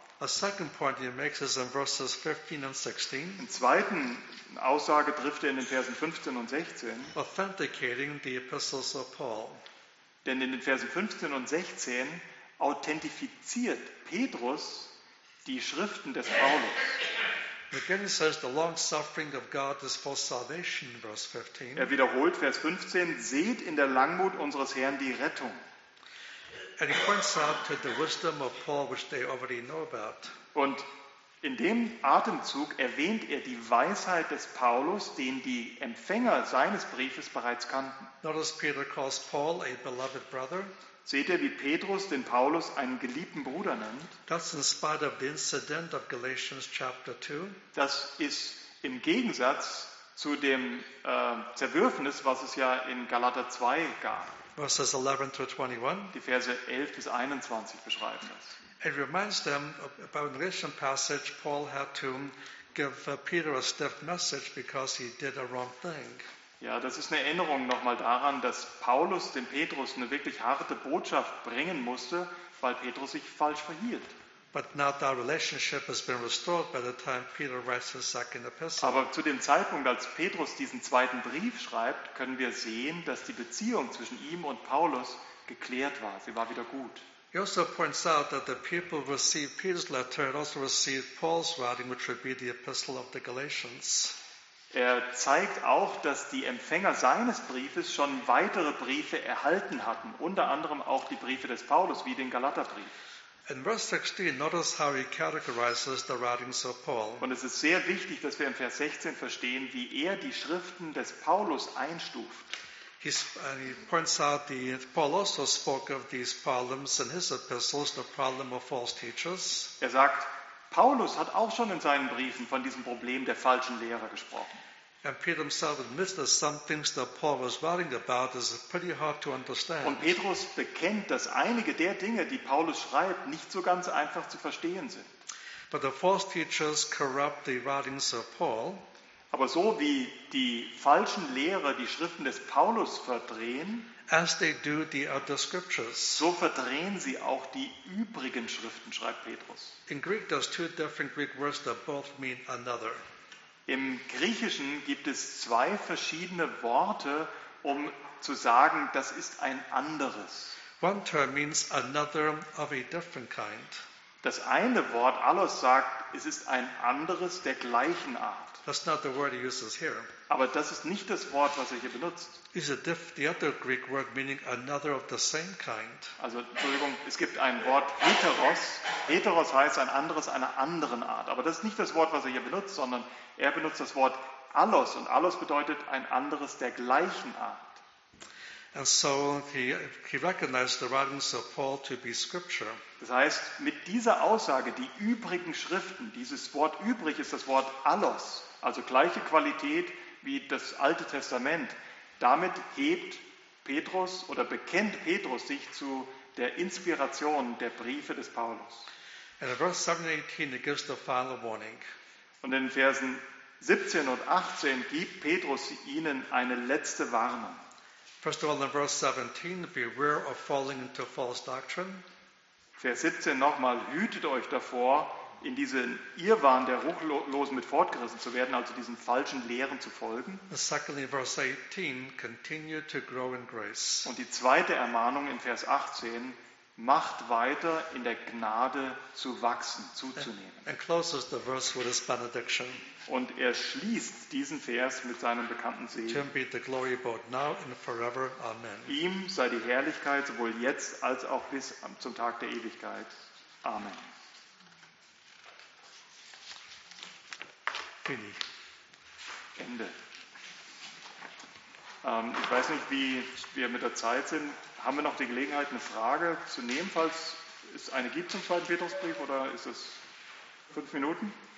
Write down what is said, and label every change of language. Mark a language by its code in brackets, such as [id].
[en] A second point he makes is in verses 15 and 16. [de] Im zweiten Aussage trifft er in den Versen 15 und 16. [en] Authenticating the epistles of Paul. [de] Denn in den Versen 15 und 16 authentifiziert Petrus die Schriften des Paulus. [en] Again he says the long suffering of God is for salvation in verse 15. [de] Er wiederholt Vers 15, seht in der Langmut unseres Herrn die Rettung. [en] And he points out to the wisdom of Paul which they already know about. [de] Und in dem Atemzug erwähnt er die Weisheit des Paulus, den die Empfänger seines Briefes bereits kannten. [en] Notice Peter calls Paul a beloved brother. [de] Seht ihr, wie Petrus den Paulus einen geliebten Bruder nennt? [en] That's in spite of the incident of Galatians chapter 2. [de] Das ist im Gegensatz zu dem Zerwürfnis, was es ja in Galater 2 gab. [en] Verses 11 through 21. [de] Die Verse 11 bis 21 beschreiben das. [en] It reminds them about the recent passage Paul had to give Peter a stiff message because he did a wrong thing. [de] Ja, das ist eine Erinnerung nochmal daran, dass Paulus dem Petrus eine wirklich harte Botschaft bringen musste, weil Petrus sich falsch verhielt. [en] But now that relationship has been restored by the time Peter writes his second epistle. [de] Aber zu dem Zeitpunkt, als Petrus diesen zweiten Brief schreibt, können wir sehen, dass die Beziehung zwischen ihm und Paulus geklärt war. Sie war wieder gut. [en] He also points out that the people who received Peter's letter had also received Paul's writing, which would be the epistle of the Galatians. [de] Er zeigt auch, dass die Empfänger seines Briefes schon weitere Briefe erhalten hatten, unter anderem auch die Briefe des Paulus, wie den Galaterbrief. [en] In verse 16, notice how he categorizes the writings of Paul. [de] Und es ist sehr wichtig, dass wir in Vers 16 verstehen, wie er die Schriften des Paulus einstuft. [en] He points out that Paul also spoke of these problems in his epistles, the problem of false teachers. [de] Er sagt, Paulus hat auch schon in seinen Briefen von diesem Problem der falschen Lehre gesprochen. [en] And Peter himself admits that some things that Paul was writing about is pretty hard to understand. [de] Und Petrus bekennt, dass einige der Dinge, die Paulus schreibt, nicht so ganz einfach zu verstehen sind. [en] But the false teachers corrupt the writings of Paul. [de] Aber so wie die falschen Lehrer die Schriften des Paulus verdrehen, [en] as they do the other scriptures, [de] so verdrehen sie auch die übrigen Schriften, schreibt Petrus. [en] In Greek there's two different Greek words that both mean another. [de] Im Griechischen gibt es zwei verschiedene Worte, um zu sagen, das ist ein anderes. [en] One term means another of a different kind. [de] Das eine Wort, Allos, sagt, es ist ein anderes der gleichen Art. [en] That's not the word he uses here. [de] Aber das ist nicht das Wort, was er hier benutzt. [en] The other Greek word meaning another of the same kind. [de] Also, Entschuldigung, es gibt ein Wort, heteros. Heteros heißt ein anderes einer anderen Art. Aber das ist nicht das Wort, was er hier benutzt, sondern er benutzt das Wort Allos. Und Allos bedeutet ein anderes der gleichen Art. [en] And so he recognized the writings of Paul to be scripture. [de] Das heißt, mit dieser Aussage, die übrigen Schriften, dieses Wort übrig ist das Wort Allos, also gleiche Qualität wie das Alte Testament. Damit hebt Petrus oder bekennt Petrus sich zu der Inspiration der Briefe des Paulus. In Vers 17 und 18 [en] gives the final warning. [de] Und in Versen 17 und 18 gibt Petrus ihnen eine letzte Warnung. [en] First of all, in Vers 17, beware of falling into false doctrine. [de] Vers 17 nochmal, hütet euch davor, in diesen Irrwahn der Ruchlosen mit fortgerissen zu werden, also diesen falschen Lehren zu folgen. [en] Secondly, verse 18, continue to grow in grace. [de] Und die zweite Ermahnung in Vers 18, macht weiter in der Gnade zu wachsen, zuzunehmen. [en] And closes the verse with his benediction. [de] Und er schließt diesen Vers mit seinem bekannten Segen. [en] To him be the glory both now and forever. Amen. [de] Ihm sei die Herrlichkeit sowohl jetzt als auch bis zum Tag der Ewigkeit. Amen. Fini. Ende. Ich weiß nicht, wie wir mit der Zeit sind. Haben wir noch die Gelegenheit, eine Frage zu nehmen, falls es eine gibt zum zweiten Petrusbrief, oder ist es 5 Minuten?